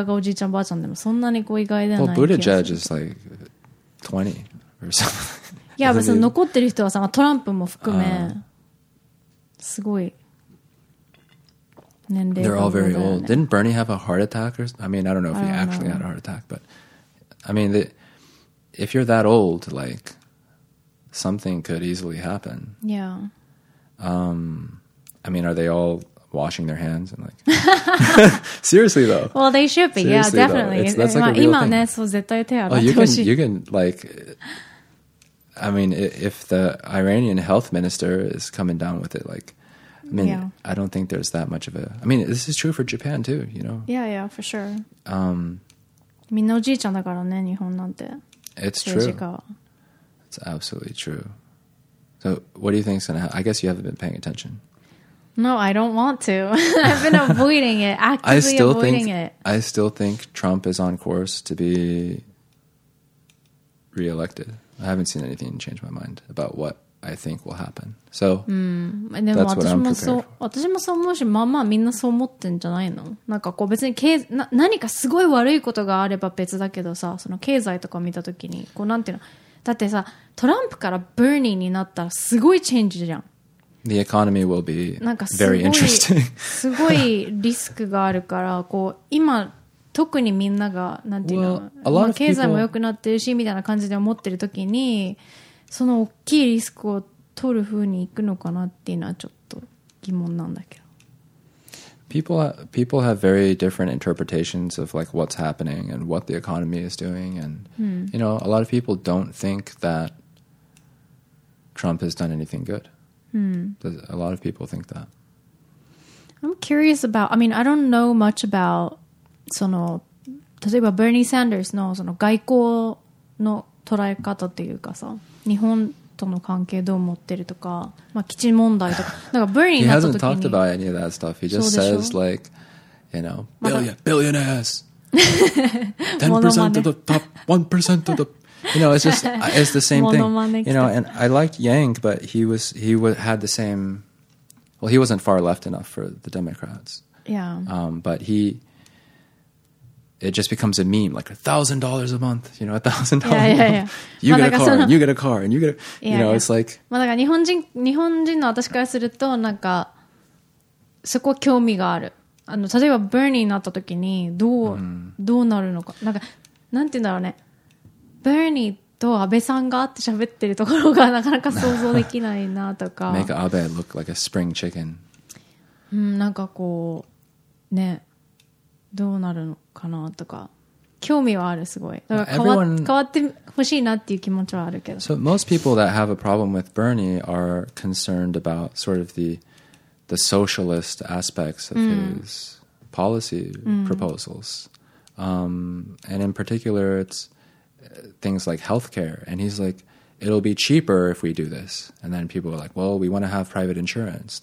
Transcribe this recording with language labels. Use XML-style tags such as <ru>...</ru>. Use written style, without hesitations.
<ja>いや、なんか意外ではあるよね。あの、意外というかその今までの流れを見てたら全然意外ではないんだけど、その年齢だけ見ると、その、なんていうの、アメリカの人口の、その年齢の分布と、まあ日本とかで見たらさ、もうおじいちゃんおばあちゃんの国だから、政治家がおじいちゃんおばあちゃんでもそんなにこう意外ではない。</ja> <en>Well, Buttigieg is like 20 or something.</en> <ja>いや、別に残ってる人はさ、トランプも含め すごい</ja> <en>They're all very old. Didn't Bernie have a heart attack? I don't know if he actually had a heart attack, but I mean, if you're that old, like something could easily happen. Yeah. I mean, are they all washing their hands and like? Seriously though. Well, they should be. Yeah, definitely. That's like a real thing. You can like. I mean, if the Iranian health minister is coming down with it, like. I mean, I don't think there's that much of a... I mean, this is true for Japan, too, you know? Yeah, for sure.</en> <ja>みんなおじいちゃんだからね、日本なんて.</ja> <en>It's true. It's absolutely true. So, what do you think is going to happen? I guess you haven't been paying attention. No, I don't want to. I've been avoiding it, I still think Trump is on course to be reelected. I haven't seen anything change my mind about what I think will happen. So,</en> <ja>でも私もそう思うし、まあまあみんなそう思ってんじゃないの？なんかこう別に何かすごい悪いことがあれば別だけどさ、その経済とか見た時に、こうなんていうの、だってさ、トランプからBernieになったらすごいチェンジじゃん。</ja> <en>The economy will be very interesting.</en> <ja>すごいリスクがあるから、こう今特にみんなが、なんていうの、経済も良くなってるしみたいな感じで思ってる時に その大きいリスクを取るふうにいくのかなっていうのはちょっと疑問なんだけど。</ja> <en>people have very different interpretations of like what's happening and what the economy is doing. And, you know, a lot of people don't think that Trump has done anything good. A lot of people think that. I'm curious about, I mean, I don't know much about,</en> <ja>その、例えば Bernie Sanders のその外交の捉え方っていうかさ、日本との関係どう思ってるとか、まあ基地問題とか、なんか Bernie になった時に、</ja> <en>He hasn't talked about any of that stuff. He just says like, you know, billionaires, 10% of the top, 1% of the, you know, it's just, it's the same thing. You know, and I like Yang, but he had the same, well, he wasn't far left enough for the Democrats. Yeah. But he, it just becomes a meme, like $1,000 a month, you know, $1,000 a month. Yeah, yeah, yeah. You get a car, and you get a car, and you get a, you know, it's like.</en> <ja>まあ、だから日本人の私からすると、なんか、そこ興味がある。あの、例えば、Bernie になった時に、どうなるのか。なんか、なんて言うんだろうね。Bernie と安倍さんがあって喋ってるところがなかなか想像できないなとか。 Make Abe look like a spring chicken. なんかこう、ね。どうなるのかなとか興味はあるすごい。だから変わってほしいなっていう気持ちはあるけど。</ja> <en>So most people that have a problem with Bernie are concerned about sort of the socialist aspects of his policy proposals. And in particular, it's things like healthcare. And he's like, it'll be cheaper if we do this. And then people are like, well, we want to have private insurance.</en>